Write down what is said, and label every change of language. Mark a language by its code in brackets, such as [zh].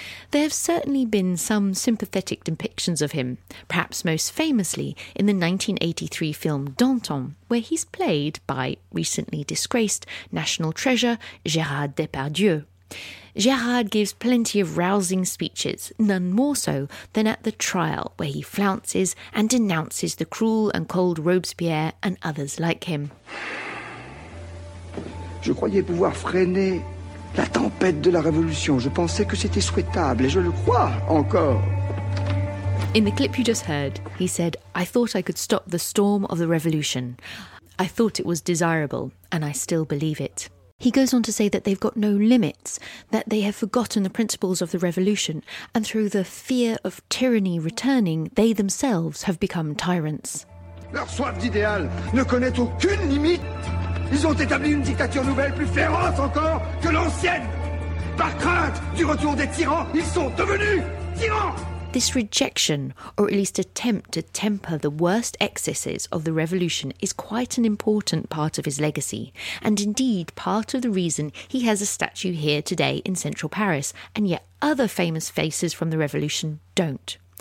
[en] There have certainly been some sympathetic depictions of him, perhaps most famously in the 1983 film Danton, where he's played by recently disgraced national treasure Gérard Depardieu. Gérard gives plenty of rousing speeches, none more so than at the trial, where he flounces and denounces the cruel and cold Robespierre and others like him. [fr] Je croyais pouvoir freiner la tempête de la révolution, je pensais que c'était souhaitable, et je le crois encore. [en] In the clip you just heard, he said, "I thought I could stop the storm of the revolution. I thought it was desirable, and I still believe it." He goes on to say that they've got no limits, that they have forgotten the principles of the revolution, and through the fear of tyranny returning, they themselves have become tyrants. [fr] Leur soif d'idéal ne connaît aucune limite. Ils ont établi une dictature nouvelle, plus féroce encore que l'ancienne. Par crainte du retour des tyrans, ils sont devenus tyrans. [en] This rejection, or at least attempt to temper the worst excesses of the revolution, is quite an important part of his legacy, and indeed part of the reason he has a statue here today in central Paris, and yet other famous faces from the revolution don't.